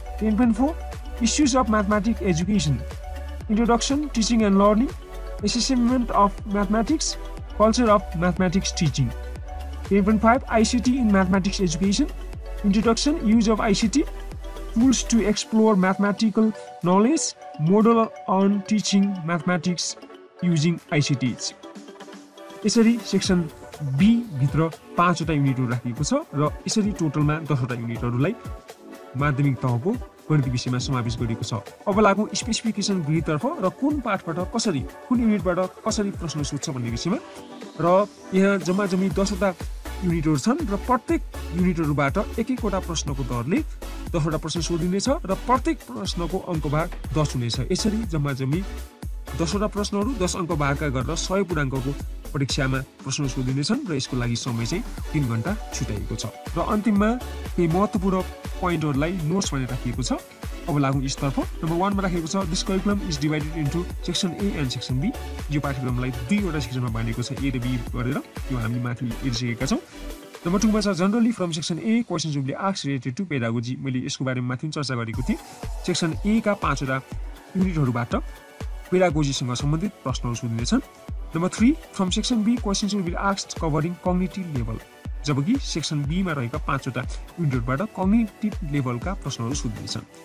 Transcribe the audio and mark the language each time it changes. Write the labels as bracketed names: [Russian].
[English] 10.4 issues of mathematics education, introduction, teaching and learning, assessment of mathematics, culture of mathematics teaching. 10.5 ICT in mathematics education, introduction, use of ICT, tools to explore mathematical knowledge, model on teaching mathematics using ICTs. [Nepali] यसरी section बीभित्र 5 युनिटहरू राखिएको छ र यसरी टोटलमा 10 युनिटहरूलाई माध्यमिक तहको गणित विषयमा समावेश गरिएको छ. अब लागौँ स्पेसिफिकेसन गृहतर्फ र कुन पाठबाट कसरी कुन युनिटबाट कसरी प्रश्न सोध्छ भन्ने विषयमा. र यहाँ जम्मा जम्मी 10 युनिटहरू छन् र प्रत्येक युनिटहरूबाट एक एकवटा प्रश्नको दरले 10 प्रश्न सोधिनेछ र प्रत्येक प्रश्नको अङ्कभार 10 हुनेछ. यसरी जम्मा जम्मी 10 प्रश्नहरू 10 अङ्क भागका गरेर 100 पूर्णाङ्कको परीक्षामा प्रश्न सोधिनेछन् र यसको लागि समय चाहिँ 3 छुट्याइएको छ. र अन्तिममा केही महत्त्वपूर्ण पोइन्टहरूलाई नोट्स भनेर राखिएको छ. अब लागौँ यसतर्फ. नम्बर 1 राखेको छ, [English] This curriculum is divided into section A and section B. [Nepali] यो पाठ्यक्रमलाई 2 सेक्सनमा बाँडिएको छ, ए र बी गरेर. यो हामीले माथि हेरिसकेका छौँ. नम्बर 2 छ, [English] Generally from section A questions will be asked related to pedagogy. [Nepali] मैले यसको बारेमा माथि चर्चा गरेको थिएँ. सेक्सन ए का 5 युनिटहरूबाट पेडागोजीसँग सम्बन्धित प्रश्नहरू सोधिनेछन्. [English] Number 3, from section B questions will be asked covering cognitive level. [Nepali] जबकि सेक्सन बीमा रहेका 5 युनिटहरूबाट कग्निटिभ लेभलका प्रश्नहरू सोधिनेछन्.